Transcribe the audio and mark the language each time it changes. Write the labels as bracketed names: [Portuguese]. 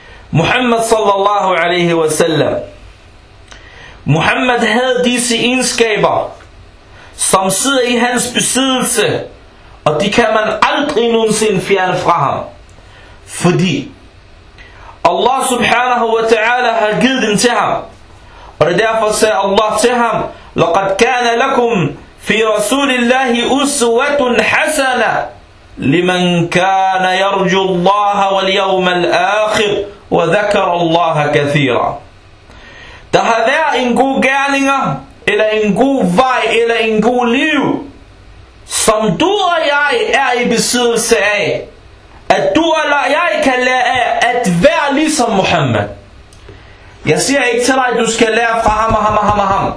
[Danish] Muhammad sallallahu alaihi wa sallam, Muhammad havde disse egenskaber, som sidder i hans besiddelse, og de kan man aldrig nogensinde fjerne fra ham. Fordi Allah subhanahu wa ta'ala har givet den til ham. Og det er derfor, sagde Allah til ham, [Arabic] لَقَدْ كَانَ لَكُمْ فِي رَسُولِ اللَّهِ أُسْوَةٌ حَسَنَةٌ. لمن كان يرجو الله واليوم الآخر وذكر الله كثيرا. [Danish] Der har været en god gerning, eller en god vej, eller en god liv, som du og jeg er i besiddelse af, at du eller jeg kan lære af at være ligesom Muhammed. Jeg siger ikke til dig, at du skal lære fra ham og ham og ham og ham.